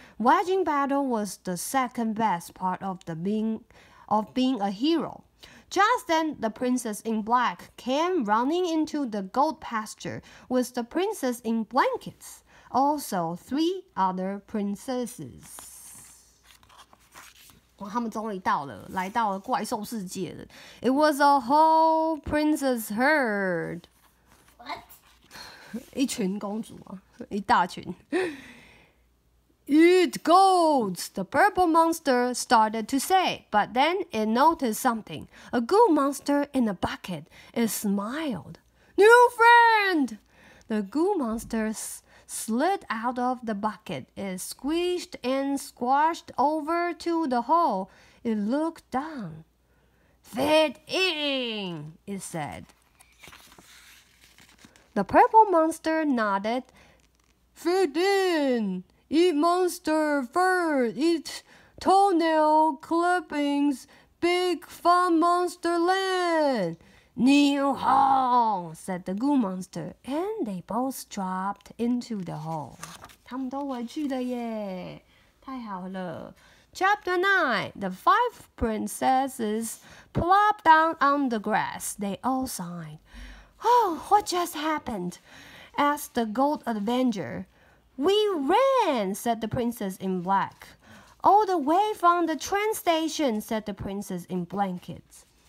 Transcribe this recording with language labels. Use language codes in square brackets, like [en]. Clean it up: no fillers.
[en] Wedging battle was the second best part of being a hero. Just then, the princess in black came running into the goat pasture with the princess in blankets. Also, three other princesses. [zh] 哇，他们终于到了，来到了怪兽世界了。 [en] It was a whole princess herd. What? [zh] 一群公主啊，一大群。 [en] Eat goats, the purple monster started to say, but then it noticed something. A goat monster in a bucket. It smiled. New friend! The goat monster slid out of the bucket. It squished and squashed over to the hole. It looked down. Fit in, it said. The purple monster nodded. Fit in! Eat monster fur, eat toenail clippings, big fun monster land. New hole, said the goo monster, and they both dropped into the hole. [zh] 他们都回去了耶，太好了。 [en] Chapter 9, the five princesses plopped down on the grass. They all sighed. Oh, what just happened? Asked the gold avenger. We ran, said the princess in black. All the way from the train station, said the princess in blankets.